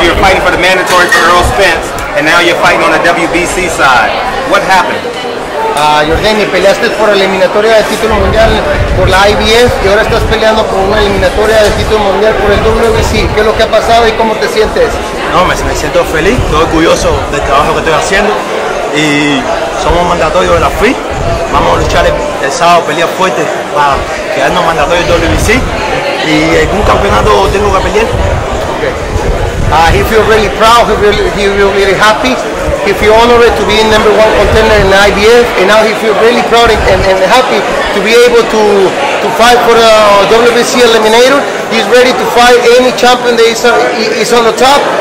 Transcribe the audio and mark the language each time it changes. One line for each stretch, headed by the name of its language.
English: You were fighting for the mandatory for Errol Spence, and now you're fighting on the WBC side. What happened?
Spanish: Jordani, peleaste por eliminatoria de título mundial por la IBF y ahora estás peleando por una eliminatoria de título mundial por el WBC. ¿Qué es lo que ha pasado y cómo te sientes? No, me siento feliz, estoy orgulloso del trabajo que estoy haciendo y somos mandatorios de la FI. Vamos a luchar el sábado, pelear fuerte para quedarnos mandatorios del WBC y algún campeonato tengo que pelear.
English: Okay. He feels really proud, he feels really happy. He feels honored to be in number one contender in the IBF, and now he feels really proud and happy to be able to fight for the WBC eliminator. He's ready to fight any champion that is on the top.